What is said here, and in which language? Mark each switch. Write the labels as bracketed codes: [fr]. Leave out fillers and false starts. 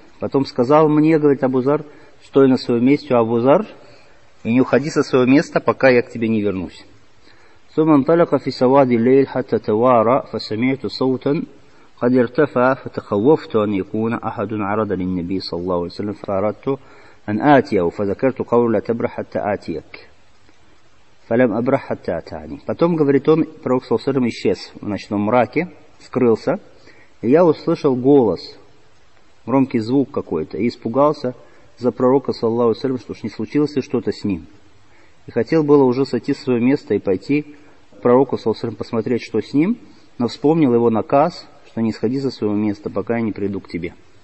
[ru] Потом сказал мне, говорит Абу Зар: «Стой на своем месте, Абу Зар, и не уходи со своего места, пока я к тебе не вернусь». [ar] ثم انطلق في سواد الليل حتى توارى فسمعت صوتا قد ارتفع فتخوفت أن يكون أحد عرض للنبي صلى الله عليه وسلم فأردت أن آتيه فذكرت قوله لا تبرح حتى آتيك فلم أبرح حتى أتاني. [ru] Потом, говорит он, пророк саллаллаху алейхи ва саллям исчез в ночном мраке, скрылся, и я услышал голос, громкий звук какой-то, и испугался за пророка саллаллаху алейхи ва саллям, что уж не случилось ли что-то с ним. И хотел было уже сойти со своего места и пойти к пророку саллаллаху алейхи ва саллям посмотреть, что с ним, но вспомнил его наказ, что не сходи со своего места, пока я не приду к тебе.